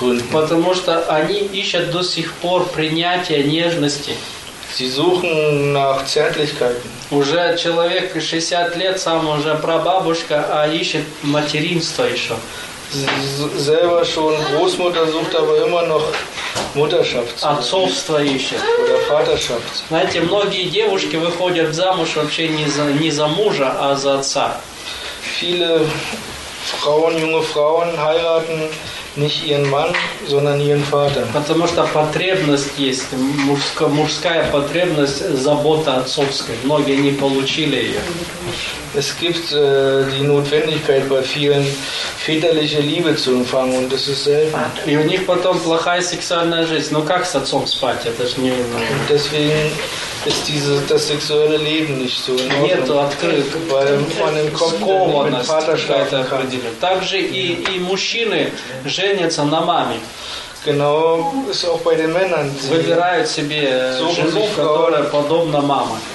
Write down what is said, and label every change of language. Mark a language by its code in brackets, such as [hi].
[ru] Потому что они ищут до сих пор принятия нежности. [de] Sie suchen nach Zärtlichkeiten. [ru] Уже человек 60 лет сам уже прабабушка, а ищет материнство еще. [de] Selber schon Großmutter sucht, aber immer noch Mutterschaft. [ru] Отцовство ищет. [de] Oder Vaterschaft. [ru] Знаете, многие девушки выходят замуж вообще не за мужа, а за отца. [de] Viele Frauen, junge Frauen heiraten nicht ihren Mann, sondern ihren Vater. [ru] Потому что потребность есть, мужская потребность, забота отцовская. Многие не получили ее. [de] Es gibt die Notwendigkeit bei vielen väterliche Liebe zu empfangen und das ist selten. [ru] И у них потом плохая сексуальная жизнь. Ну как с отцом спать? Это ж не. [de] Deswegen ist das sexuelle Leben nicht so. [ru] Нет открытых, [de] weil man im Kopf Vaterschaft hat. [ru] Также и мужчины женятся на маме. [de] Genau, ist auch bei den Männern. [ru] Выбирают себе жену, которая подобна маме.